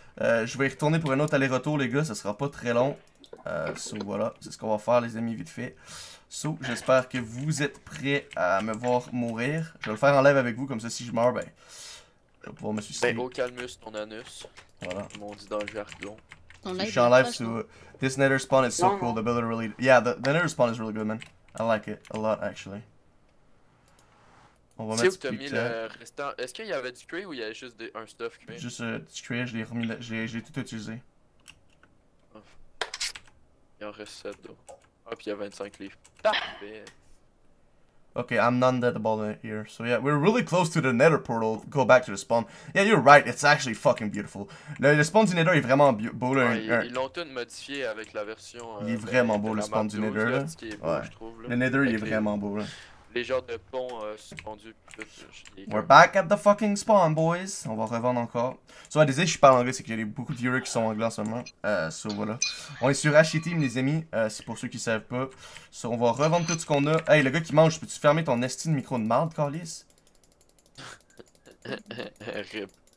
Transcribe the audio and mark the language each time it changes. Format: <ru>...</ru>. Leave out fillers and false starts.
<fr>Je vais y retourner pour un autre aller-retour, les gars. Ça sera pas très long. So, voilà, c'est ce qu'on va faire, les amis, vite fait. So, j'espère que vous êtes prêts à me voir mourir. Je vais le faire en live avec vous, comme ça, si je meurs, ben. Je vais pouvoir me suicider. Ben, au calmus, ton anus. Voilà. Ils m'ont dit dans le jargon. Je suis en live, so.</fr> <en>This Nether spawn is so cool. The builder really. Yeah, the Nether spawn is really good, man. I like it a lot, actually.</en> <fr>On va mettre où t'as mis le restant. Est-ce qu'il y avait du cray ou il y avait juste un stuff cray? Juste du cray, je l'ai remis. J'ai tout utilisé. Il en reste 7, donc. Ah, pis y'a 25 livres. Parfait!</fr> <en>Okay, I'm not at the ball here. So yeah, we're really close to the Nether portal. Go back to the spawn. Yeah, you're right. It's actually fucking beautiful.</en> <fr>Le spawn du Nether est vraiment beau. Là, ouais, il l'ont tout modifié avec la version. Il est vraiment beau le spawn du Nether. Là. Beau, ouais. Trouve, là. Le Nether il est vraiment beau. Là. Les genres de ponts suspendus.</fr> <en>We're back at the fucking spawn, boys.</en> <fr>On va revendre encore. So, désolé, je parle anglais, c'est qu'il y a beaucoup de viewers qui sont anglais en ce moment. So, voilà. On est sur HT Team, les amis. C'est pour ceux qui savent pas. So, on va revendre tout ce qu'on a. Hey, le gars qui mange, peux-tu fermer ton esti de micro de marde, Carlis? Rip.</fr>